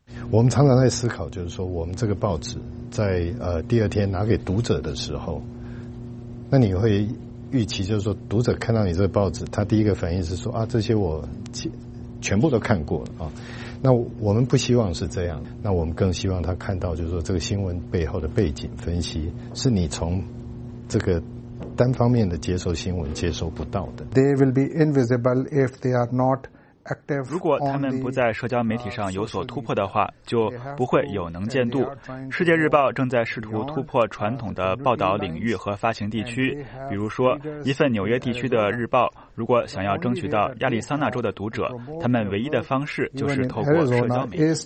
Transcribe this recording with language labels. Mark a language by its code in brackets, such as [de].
[zh] 我们常常在思考，就是说，我们这个报纸在第二天拿给读者的时候，那你会预期，就是说，读者看到你这个报纸，他第一个反应是说啊，这些我全部都看过了啊。那我们不希望是这样，那我们更希望他看到，就是说，这个新闻背后的背景分析是你从这个。单方面的接受新闻接受不到的。 [en] They will be invisible if they are not active. [zh] 如果他们不在社交媒体上有所突破的话，就不会有能见度。世界日报正在试图突破传统的报道领域和发行地区，比如说，一份纽约地区的日报，如果想要争取到亚利桑那州的读者，他们唯一的方式就是透过社交媒体。